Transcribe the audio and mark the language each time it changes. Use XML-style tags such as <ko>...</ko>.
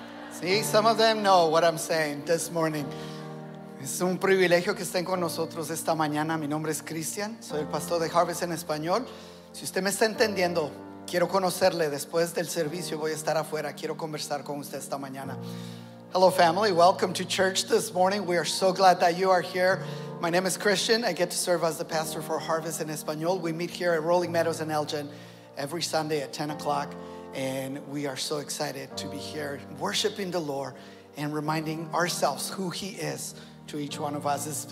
<en>See, some of them know what I'm saying this morning.</en> <es>Es un privilegio que estén con nosotros esta mañana. Mi nombre es Cristian, soy el pastor de Harvest en español. Si usted me está entendiendo, quiero conocerle. Después del servicio voy a estar afuera, quiero conversar con usted esta mañana.</es> <en>Hello, family, welcome to church this morning. We are so glad that you are here. My name is Christian. I get to serve as the pastor for Harvest en español. We meet here at Rolling Meadows in Elgin every Sunday at 10 o'clock, and we are so excited to be here worshiping the Lord and reminding ourselves who He is to each one of us.</en>